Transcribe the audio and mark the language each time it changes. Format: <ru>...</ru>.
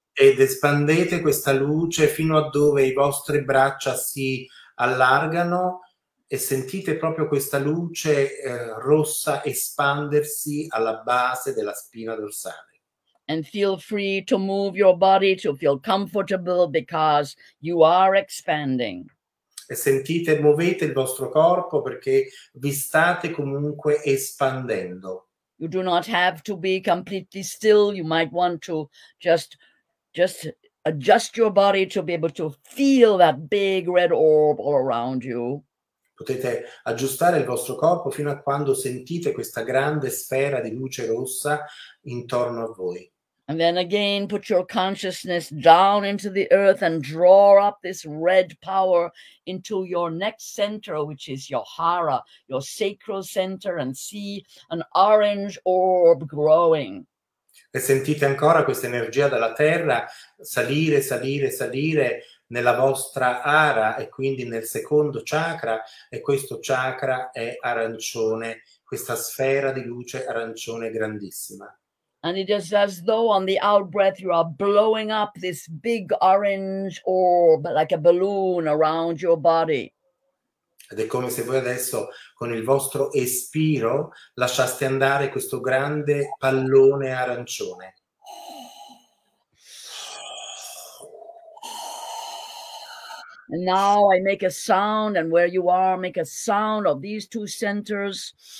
<it>Ed espandete questa luce fino a dove i vostri braccia si allargano e sentite proprio questa luce rossa espandersi alla base della spina dorsale.</it> <en>And feel free to move your body to feel comfortable because you are expanding.</en> <it>E sentite, muovete il vostro corpo perché vi state comunque espandendo.</it> <en>You do not have to be completely still. You might want to just adjust your body to be able to feel that big red orb all around you.</en> <it>Potete aggiustare il vostro corpo fino a quando sentite questa grande sfera di luce rossa intorno a voi.</it> <en>And then again, put your consciousness down into the earth and draw up this red power into your next center, which is your hara, your sacral center, and see an orange orb growing.</en> <it>E sentite ancora questa energia dalla terra salire nella vostra ara e quindi nel secondo chakra, e questo chakra è arancione, questa sfera di luce arancione grandissima.</it> <en>And it is as though on the out-breath you are blowing up this big orange orb like a balloon around your body.</en> <it>Ed è come se voi adesso con il vostro espiro lasciaste andare questo grande pallone arancione.</it> <en>And now I make a sound, and where you are, make a sound of these two centers.</en>